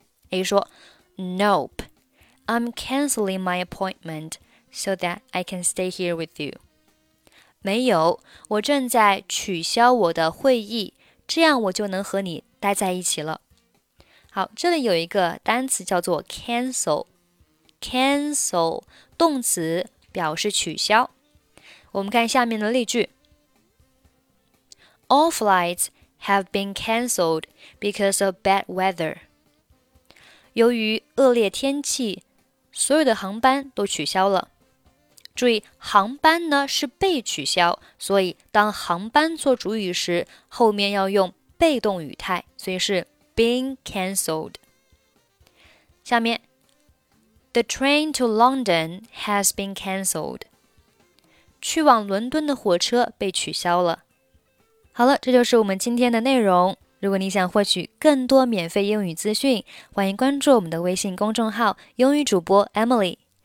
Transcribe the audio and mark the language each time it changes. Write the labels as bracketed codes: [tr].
[en] A 说 Nope, I'm canceling my appointment so that I can stay here with you. [zh] 没有，我正在取消我的会议，这样我就能和你待在一起了。好，这里有一个单词叫做 cancel。cancel, 动词表示取消。我们看下面的例句。 [en] All flights have been cancelled because of bad weather. [zh] 由于恶劣天气，所有的航班都取消了。注意，航班呢是被取消，所以当航班做主语时，后面要用被动语态，所以是 [en] being cancelled. [zh] 下面 [en] The train to London has been cancelled. [zh] 去往伦敦的火车被取消了。好了，这就是我们今天的内容。如果你想获取更多免费英语资讯，欢迎关注我们的微信公众号英语主播 Emily。